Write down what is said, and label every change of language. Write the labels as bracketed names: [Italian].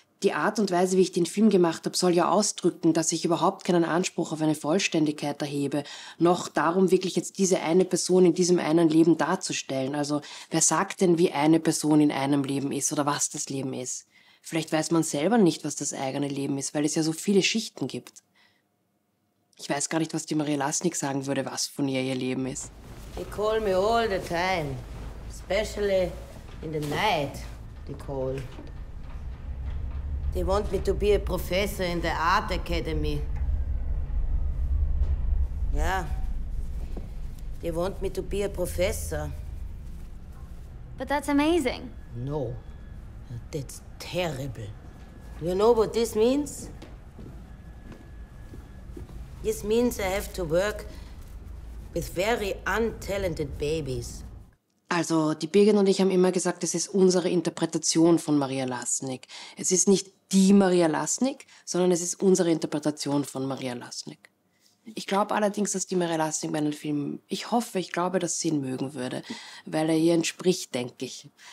[German] Die Art und Weise, wie ich den Film gemacht habe, soll ja ausdrücken, dass ich überhaupt keinen Anspruch auf eine Vollständigkeit erhebe, noch darum, wirklich jetzt diese eine Person in diesem einen Leben darzustellen. Also wer sagt denn, wie eine Person in einem Leben ist oder was das Leben ist? Vielleicht weiß man selber nicht, was das eigene Leben ist, weil es ja so viele Schichten gibt. Ich weiß gar nicht, was die Maria Lasnik sagen würde, was von ihr Leben ist. [English] They call me all the time, especially in the night, they call. They want me to be a professor in the Art Academy. Yeah. They want me to be a professor. But that's amazing. No. That's terrible. You know what this means? This means I have to work with very untalented babies. [German] Also, die Birgit und ich haben immer gesagt, es ist unsere Interpretation von Maria Lasnik. Es ist nicht die Maria Lasnik, sondern es ist unsere Interpretation von Maria Lasnik. Ich glaube allerdings, dass die Maria Lasnik meinen Film, ich hoffe, ich glaube, dass sie ihn mögen würde, weil er ihr entspricht, denke ich.